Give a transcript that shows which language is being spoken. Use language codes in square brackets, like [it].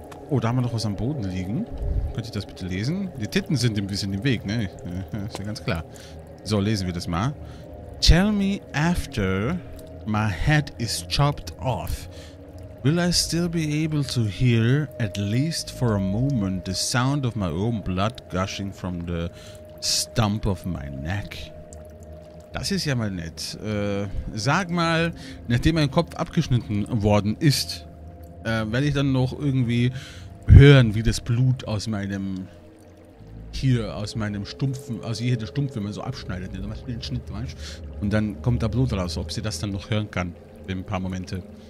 [de] Oh, da haben wir noch was am Boden liegen. Könnt ihr das bitte lesen? Die Titten sind ein bisschen im Weg, ne? Ist ja ganz klar. So, lesen wir das mal. [en] Tell me after my head is chopped off. Will I still be able to hear, at least for a moment, the sound of my own blood gushing from the stump of my neck? [de] Das ist ja mal nett. Sag mal, nachdem mein Kopf abgeschnitten worden ist, werde ich dann noch irgendwie hören, wie das Blut aus meinem, hier, aus meinem Stumpfen, also hier der Stumpf, wenn man so abschneidet, dann macht man den Schnitt, weißt du? Und dann kommt da Blut raus, ob sie das dann noch hören kann, in ein paar Momente.